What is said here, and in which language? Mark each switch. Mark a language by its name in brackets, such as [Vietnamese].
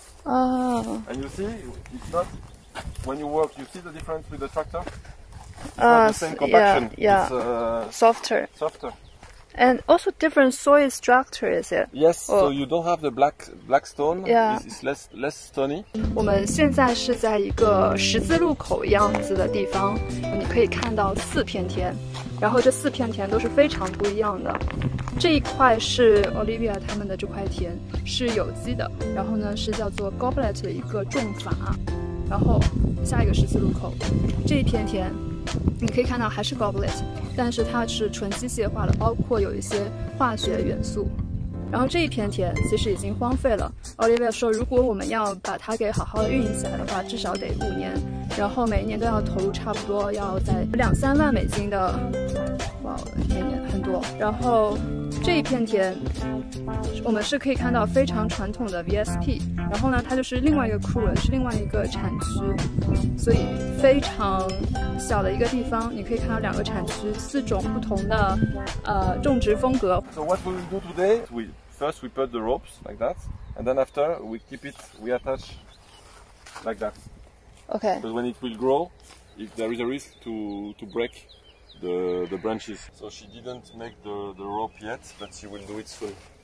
[English] Oh. And you see, it's not when you work. You see the difference with the tractor. Not the same compaction. Yeah. It's softer. Softer. And also different soil structure, is it? Yes. Oh. So you don't have the black stone. Yeah. It's less stony. [Chinese] 我们现在是在一个十字路口样子的地方，你可以看到四片田，然后这四片田都是非常不一样的。这一块是 Olivia 他们的这块田，是有机的，然后呢是叫做 goblet 的一个种法，然后下一个十字路口这一片田你可以看到还是 goblet， 但是它是纯机械化的，包括有一些化学元素。然后这一片田其实已经荒废了， Olivia 说如果我们要把它给好好的运营起来的话，至少得5年，然后每一年都要投入差不多要在2-3万美金的，哇，每年很多。然后这一片田我们是可以看到非常传统的 VSP， 然后呢它就是另外一个库伦，是另外一个产区，所以非常小的一个地方，你可以看到两个产区，四种不同的种植风格。 [English] So what we will do today, first we put the ropes like that, and then after we keep it, we attach like that. Okay. Because when it will grow, if there is a risk to breakthe branches. So she didn't make the rope yet, but she will do it soon.